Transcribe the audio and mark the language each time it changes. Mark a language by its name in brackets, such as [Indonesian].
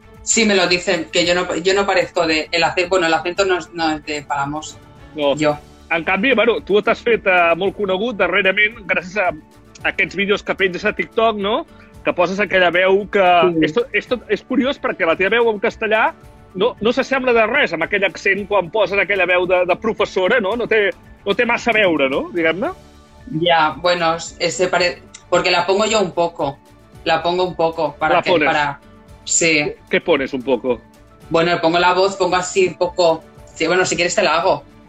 [Spanish] Sí, me lo dicen, que yo no parezco de... el acento no es de Palamós, no. [Catalan] Jo. En canvi, bueno, tu t'has fet molt conegut darrerament gràcies a aquests vídeos que penges a TikTok, no? Que poses aquella veu que... Sí. És curiós perquè la teva veu en castellà no s'assembla de res amb aquell accent quan poses aquella veu de professora, no? No té massa a veure, no? Diguem-ne. [Spanish] Ja, bueno, porque la pongo yo un poco. La pongo un poco. Sí. ¿Qué pones un poco? Bueno, pongo la voz, pongo así un poco... Sí, bueno, si quieres te la hago.